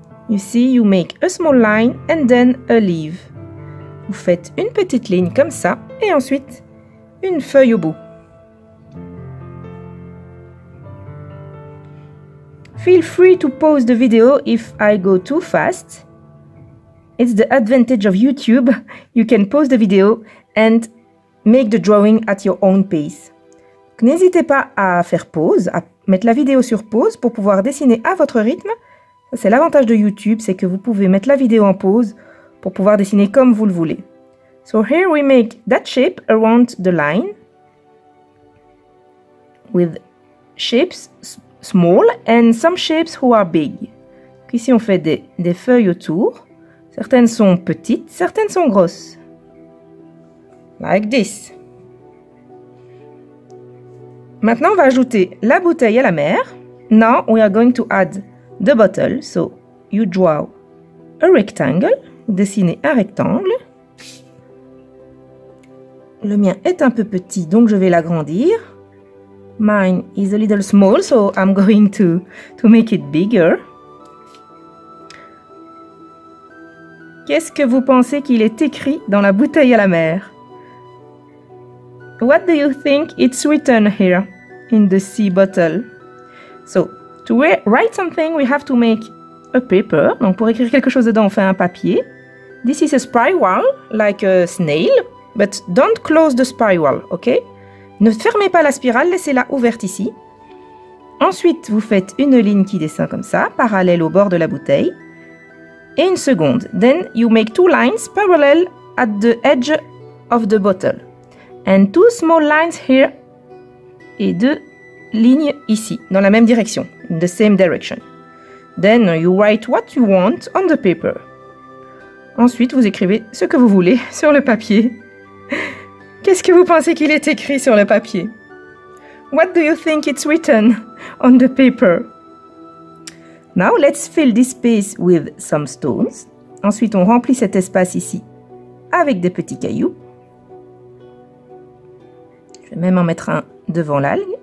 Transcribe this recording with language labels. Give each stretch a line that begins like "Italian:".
English: You see, you make a small line and then a leaf.
French: Vous faites une petite ligne comme ça et ensuite une feuille au bout.
English: Feel free to pause the video if I go too fast. It's the advantage of YouTube. You can pause the video and make the drawing at your own pace.
French: N'hésitez pas à faire pause, à mettre la vidéo sur pause pour pouvoir dessiner à votre rythme. C'est l'avantage de YouTube, c'est que vous pouvez mettre la vidéo en pause pour pouvoir dessiner comme vous le voulez.
English: So here we make that shape around the line with shapes small and some shapes who are big.
French: Ici on fait des feuilles autour. Certaines sont petites, certaines sont grosses.
English: Like this.
French: Maintenant, on va ajouter la bouteille à la mer.
English: Now, we are going to add the bottle. So, you draw a rectangle.
French: Vous dessinez un rectangle. Le mien est un peu petit, donc je vais l'agrandir.
English: Mine is a little small, so I'm going to make it bigger.
French: Qu'est-ce que vous pensez qu'il est écrit dans la bouteille à la mer?
English: What do you think it's written here in the sea bottle? So, to write something, we have to make a paper.
French: Donc, pour écrire quelque chose dedans, on fait un papier.
English: This is a spiral, like a snail, but don't close the spiral, ok?
French: Ne fermez pas la spirale, laissez-la ouverte ici. Ensuite, vous faites une ligne qui descend comme ça, parallèle au bord de la bouteille. Et une seconde.
English: Then you make two lines parallel at the edge of the bottle. And two small lines here.
French: Et deux lignes ici, dans la même direction.
English: The same direction. Then you write what you want on the paper.
French: Ensuite, vous écrivez ce que vous voulez sur le papier. Qu'est-ce que vous pensez qu'il est écrit sur le papier?
English: What do you think it's written on the paper? Now, let's fill this space with some stones.
French: Ensuite, on remplit cet espace ici avec des petits cailloux. Je vais même en mettre un devant l'algue.